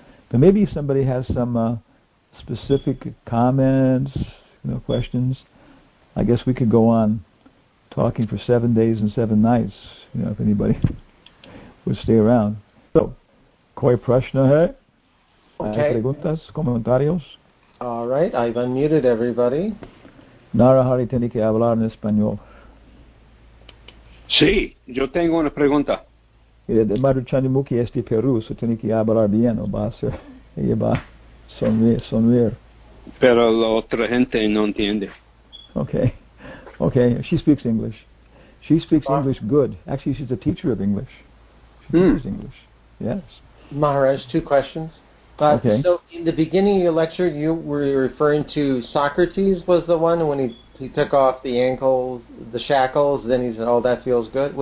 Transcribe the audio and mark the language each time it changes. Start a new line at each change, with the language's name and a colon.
English: But maybe somebody has some specific comments, you know, questions. I guess we could go on talking for 7 days and seven nights, you know, if anybody would stay around.
Hindi: So, koi prashna hai?
English: Okay.
Spanish: Preguntas, comentarios?
English: All right, I've unmuted everybody.
Spanish: Narahari tiene que hablar en español. Sí, yo tengo una pregunta. Madre Chandimuki es de Perú, so tiene que hablar bien, o va a ser, ella va a sonreír. Pero la otra gente no entiende.
English: Okay, she speaks English. She speaks English good. Actually, she's a teacher of English. She teaches English, yes. Maharaj, two questions. Okay. So in the beginning of your lecture, you were referring to Socrates was the one when he took off the ankles, the shackles, then he said, oh, that feels good.